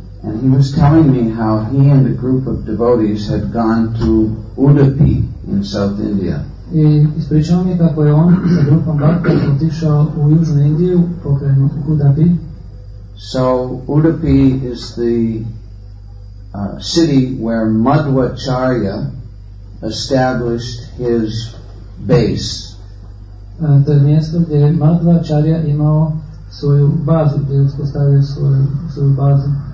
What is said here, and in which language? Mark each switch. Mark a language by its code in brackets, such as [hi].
[en] And he was telling me how he and a group of devotees had gone to Udupi in South India. [hr] I ispričao mi kako je on sa grupom bhakti otišao u južnu Indiju, pokrenu Udupi. [en] So Udupi is the city where Madhvacharya established his base. [hr] To je mjesto gdje Madhvacharya imao svoju bazu, gdje je uspostavio svoju bazu.